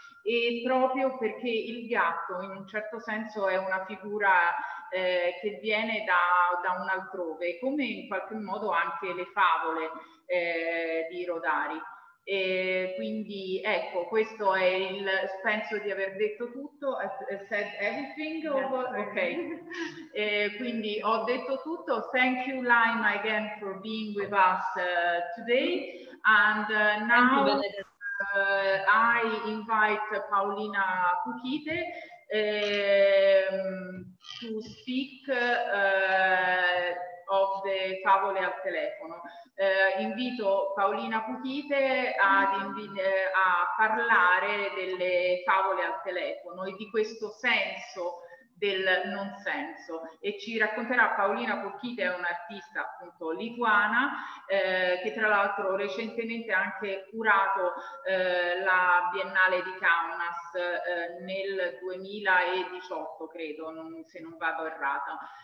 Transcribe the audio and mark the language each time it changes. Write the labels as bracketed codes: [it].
[it] E proprio perché il gatto in un certo senso è una figura che viene da un altrove, come in qualche modo anche le favole di Rodari. E quindi ecco, questo è il, penso di aver detto tutto, [en] I said everything, ok. [it] Quindi ho detto tutto. [en] Thank you, Laima, again for being with us today, and now I invite Paolina Cuchite to speak of the favole al telefono. [it] Invito Paolina Cuchite a parlare delle favole al telefono e di questo senso del non senso, e ci racconterà Paolina Cuchite, è un'artista appunto lituana che tra l'altro recentemente ha anche curato la Biennale di Kaunas nel 2018, credo, se non vado errata.